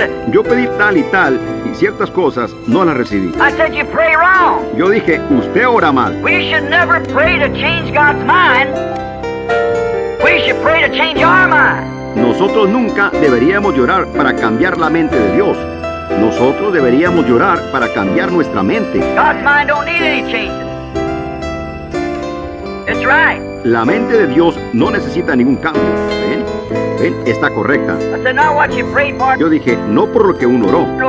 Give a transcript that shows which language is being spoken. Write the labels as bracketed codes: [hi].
[es] Yo pedí tal y tal, y ciertas cosas no las recibí. [en] I said, you pray wrong. [es] Yo dije, usted ora mal. [en] We should never pray to change God's mind. We should pray to change our mind. [es] Nosotros nunca deberíamos llorar para cambiar la mente de Dios. Nosotros deberíamos llorar para cambiar nuestra mente. [en] God's mind don't need any changes. It's right. [es] La mente de Dios no necesita ningún cambio. ¿Ven? ¿Ven? Está correcta. Yo dije, no por lo que uno oró.